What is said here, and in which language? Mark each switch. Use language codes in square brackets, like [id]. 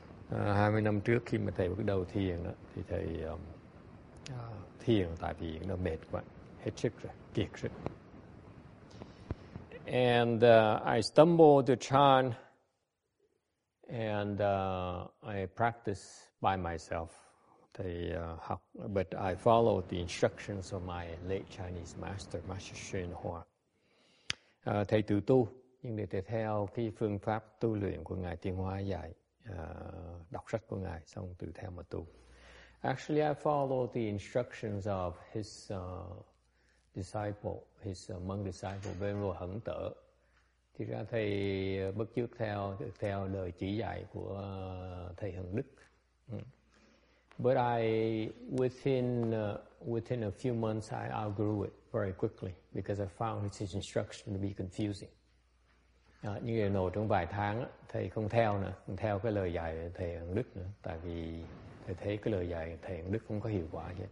[vi] 20 năm trước khi mà thầy bắt đầu thiền đó, thì thầy thiền tại vì nó mệt quá, hết sức rồi, kiệt sức. [en] And I stumbled to Chan and I practice by myself. [vi] Thầy học, [en] but I follow the instructions of my late Chinese master, Master Xuyên Hoa. [vi] Thầy tự tu, nhưng để thầy theo cái phương pháp tu luyện của Ngài Tiên Hoa dạy. Đọc sách của Ngài xong tự theo mà tu. [en] Actually, I follow the instructions of his disciple, his monk disciple, Venerable Hẩn Tở. [vi] Thì ra thầy bất chước theo lời chỉ dạy của thầy Hẩn Đức. [en] But I within a few months I outgrew it very quickly because I found his instruction to be confusing. [vi] Như vậy nổi trong vài tháng thầy không theo nữa, không theo cái lời dạy thầy Hằng Đức nữa, tại vì thầy thấy cái lời dạy thầy Hằng Đức không có hiệu quả gì.